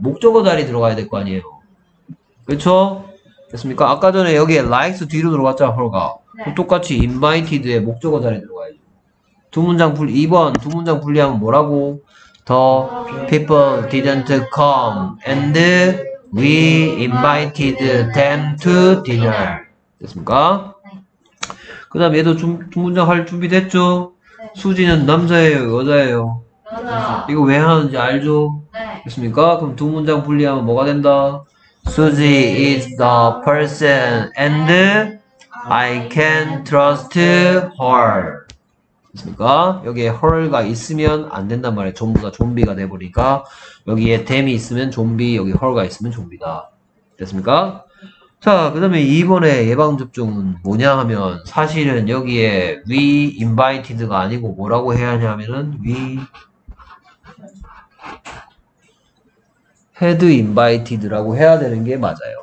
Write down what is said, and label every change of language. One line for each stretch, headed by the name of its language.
Korean: 목적어 자리 들어가야 될 거 아니에요. 그쵸? 됐습니까? 아까 전에 여기에 likes 뒤로 들어갔죠, 허가. 네. 똑같이 invited에 목적어 자리 들어가야죠. 두 문장 분리, 2번 두 문장 분리하면 뭐라고?
English: The people didn't come and we invited them to dinner.
Korean: 됐습니까? 그 다음 얘도 두 문장 할 준비 됐죠? 수지는 남자예요, 여자예요? 여자. 이거 왜 하는지 알죠? 네. 됐습니까? 그럼 두 문장 분리하면 뭐가 된다?
English: Suji is the person and I can trust her.
Korean: 됐습니까? 여기에 her가 있으면 안 된단 말이에요. 전부 다 좀비가 돼버리니까. 여기에 them이 있으면 좀비, 여기 her가 있으면 좀비다. 됐습니까? 자, 그 다음에 이번에 예방접종은 뭐냐 하면 사실은 여기에 we invited가 아니고 뭐라고 해야 하냐면은
English: we had invited
Korean: 라고 해야 되는 게 맞아요.